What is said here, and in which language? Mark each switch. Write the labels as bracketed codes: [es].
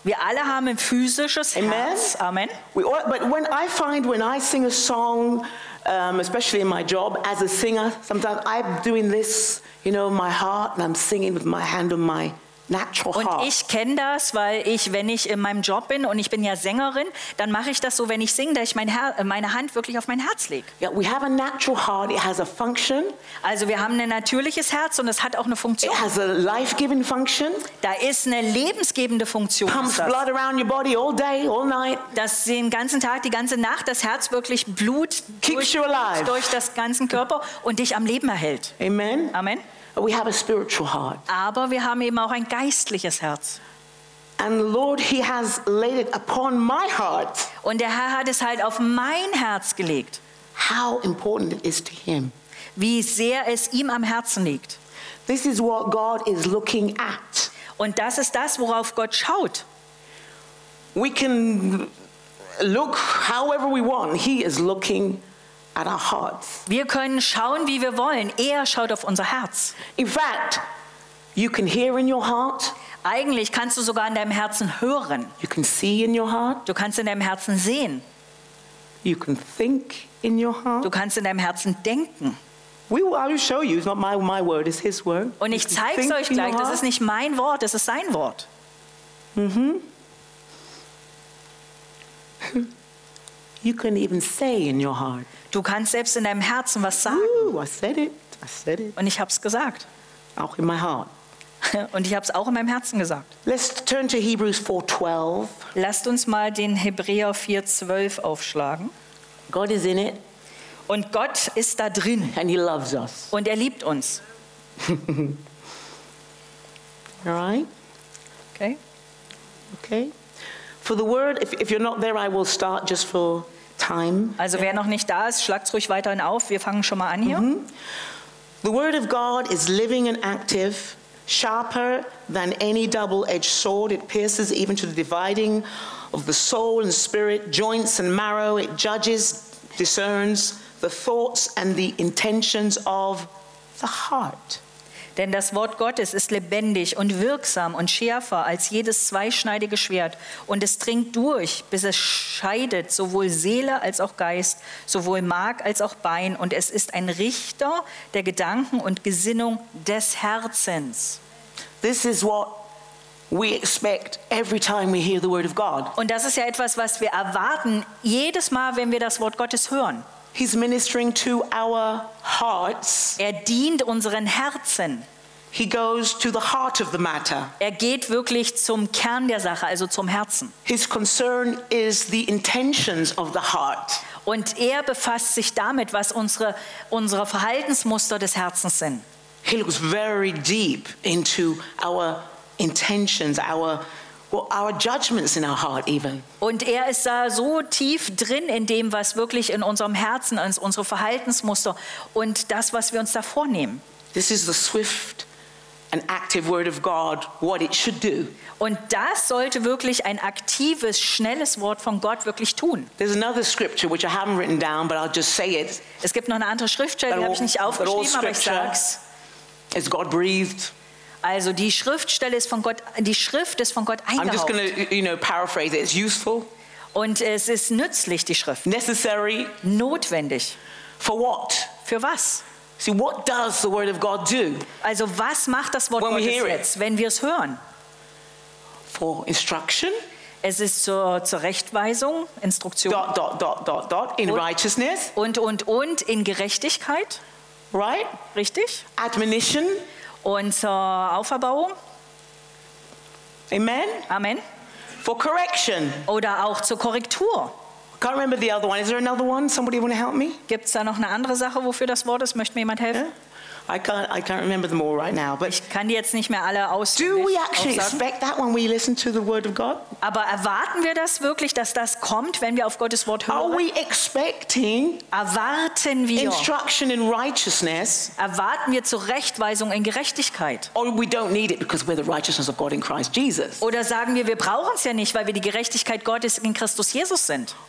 [de] Wir alle haben ein physisches Herz. Amen. [en] We all, but when I sing a song, especially in my job as a singer, sometimes I'm doing this, you know, my heart and I'm singing with my hand on my natural heart. [de] Und ich kenne das, weil ich, wenn ich in meinem Job bin und ich bin ja Sängerin, dann mache ich das so, wenn ich singe, dass ich meine Hand wirklich auf mein Herz lege. [en] Yeah, we have a natural heart. It has a function. [de] Also wir haben ein natürliches Herz und es hat auch eine Funktion. [en] It has a life-giving function. [de] Da ist eine lebensgebende Funktion. [en] Pumps blood around your body all day, all night. [de] Dass den ganzen Tag, die ganze Nacht das Herz wirklich Blut durch das ganzen Körper und dich am Leben erhält. Amen. Amen. [en] We have a spiritual heart. [de] Aber wir haben eben auch ein geistliches Herz. [en] And Lord, he has laid it upon my heart. [de] Und der Herr hat es halt auf mein Herz gelegt. [en] how important it is to him. [de] Wie sehr es ihm am Herzen liegt. [en] This is what God is looking at. [de] Und das ist das, worauf Gott schaut. [en] We can look however we want. He is looking at our hearts. [de] Wir können schauen, wie wir wollen. Er schaut auf unser Herz. [en] In fact, you can hear in your heart. [de] Eigentlich kannst du sogar in deinem Herzen hören. [en] You can see in your heart. [de] Du kannst in deinem Herzen sehen. [en] You can think in your heart. [de] Du kannst in deinem Herzen denken. [en] We will, I will show you. It's not my word. It's His word. [de] Und ich zeige es euch gleich. Das ist nicht mein Wort. Das ist sein Wort. Mm-hmm. [en] You can even say in your heart. [de] Du kannst selbst in deinem Herzen was sagen. [en] Ooh, I said it. [de] Und ich habe es gesagt. Auch [en] in my heart. [de] Und ich habe es auch in meinem Herzen gesagt. [en] Let's turn to Hebrews 4:12. [de] Lasst uns mal den Hebräer 4:12 aufschlagen. [en] God is in it. [de] Und Gott ist da drin. [en] And he loves us. [de] Und er liebt uns. [en] All right. [de] Okay. [en] For the word, if you're not there, I will start just for time. [de] Also wer noch nicht da ist, schlagt's ruhig weiterhin auf. Wir fangen schon mal an hier. Mm-hmm. [en] The word of God is living and active, sharper than any double-edged sword. It pierces even to the dividing of the soul and spirit, joints and marrow. It judges, discerns the thoughts and the intentions of the heart. [de] Denn das Wort Gottes ist lebendig und wirksam und schärfer als jedes zweischneidige Schwert. Und es dringt durch, bis es scheidet sowohl Seele als auch Geist, sowohl Mark als auch Bein. Und es ist ein Richter der Gedanken und Gesinnung des Herzens. [en] This is what we expect every time we hear the word of God. [de] Und das ist ja etwas, was wir erwarten, jedes Mal, wenn wir das Wort Gottes hören. [en] He's ministering to our hearts. [de] Er dient unseren Herzen. [en] He goes to the heart of the matter. [de] Er geht wirklich zum Kern der Sache, also zum Herzen. [en] His concern is the intentions of the heart. [de] Und er befasst sich damit, was unsere Verhaltensmuster des Herzens sind. [en] He looks very deep into our intentions, our judgments in our heart even. [de] Und er ist da so tief drin in dem, was wirklich in unserem Herzen ist, unsere Verhaltensmuster und das, was wir uns da vornehmen. [en] This is the swift and active word of God, what it should do. [de] Und das sollte wirklich ein aktives, schnelles Wort von Gott wirklich tun. [en] There's another scripture which I haven't written down, but I'll just say it. [de] Es gibt noch eine andere Schriftstelle, die habe ich nicht aufgeschrieben, aber ich sag's. [en] It's God breathed. [de] Also die Schrift ist von Gott eingehaucht. [en] I'm just going to, you know, paraphrase it. It's useful. [de] Und es ist nützlich, die Schrift. [en] Necessary. [de] Notwendig. [en] For what? [de] Für was? [en] See, what does the word of God do? [de] Also was macht das Wort Gottes jetzt, wenn wir es hören? [en] For instruction. [de] Es ist zur Rechtweisung, Instruktion. [en] Dot, in righteousness. [de] Und in Gerechtigkeit. [en] Right. [de] Richtig. [en] Admonition. [de] Und zur Auferbauung. Amen. Amen. [en] For correction. [de] Oder auch zur Korrektur. [en] I can't remember the other one. Is there another one? Somebody want to help me? [de] Gibt's da noch eine andere Sache, wofür das Wort ist? Möchte mir jemand helfen? [en] Yeah. I can't remember them all right now. But [de] ich kann die jetzt nicht mehr alle auswendig aufsagen. [en] Do we actually expect that when we listen to the Word of God? [de] Aber erwarten wir das wirklich, dass das kommt, wenn wir auf Gottes Wort hören? [en] Are we expecting? [de] Erwarten wir [en] instruction in righteousness? [de] Erwarten wir Zurechtweisung in Gerechtigkeit? [en] Or we don't need it because we're the righteousness of God in Christ Jesus? [de] Oder sagen wir brauchen es ja nicht, weil wir die Gerechtigkeit Gottes in Christus Jesus sind?